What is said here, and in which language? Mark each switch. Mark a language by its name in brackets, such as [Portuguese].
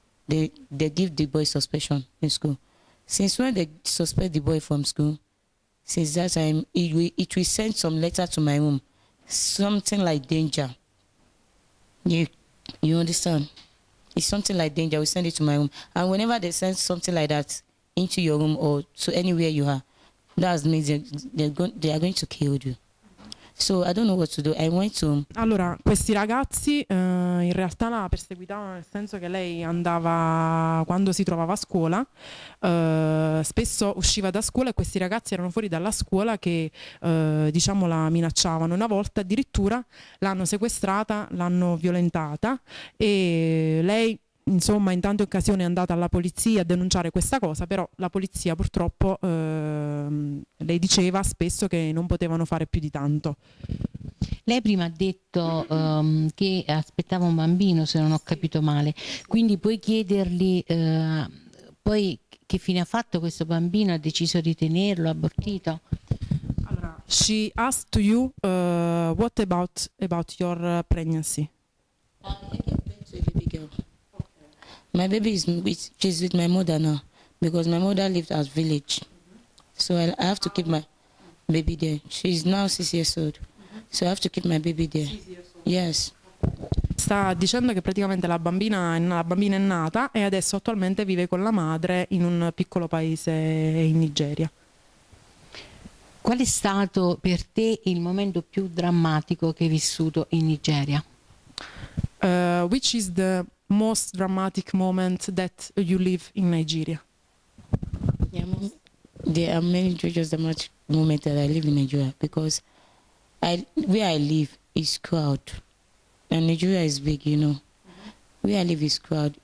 [English] They give the boy suspension in school. Since when they suspect the boy from school, since that time, it will send some letter to my room, something like danger. You understand? It's something like danger, we send it to my room. And whenever they send something like that into your room or to anywhere you are, that means they are going to kill you. So I don't know what to do. I went to... [Italian] Allora, questi ragazzi in realtà la perseguitavano, nel senso che lei andava, quando si trovava a scuola, spesso usciva da scuola e questi ragazzi erano fuori dalla scuola che diciamo la minacciavano. Una volta addirittura l'hanno sequestrata, l'hanno violentata, e lei, insomma, in tante occasioni è andata alla polizia a denunciare questa cosa, però la polizia purtroppo lei diceva spesso che non potevano fare più di tanto. Lei prima ha detto che aspettava un bambino, se non ho capito male, quindi puoi chiedergli poi che fine ha fatto questo bambino, ha deciso di tenerlo, abortito? [English] Allora, she asked you what about your pregnancy? My baby is with, she's with my mother now, because my mother lived at village. So I have to keep my baby there. She's now 6 years old. So I have to keep my baby there. 6 years old. Yes. [Italian] sta dicendo che praticamente la bambina è nata e adesso attualmente vive con la madre in un piccolo paese in Nigeria. Qual è stato per te il momento più drammatico che hai vissuto in Nigeria? [English] Which is the most dramatic moment that you live in Nigeria? There are many dangerous dramatic moments that I live in Nigeria because where I live is crowd. And Nigeria is big, you know. Where I live is crowd.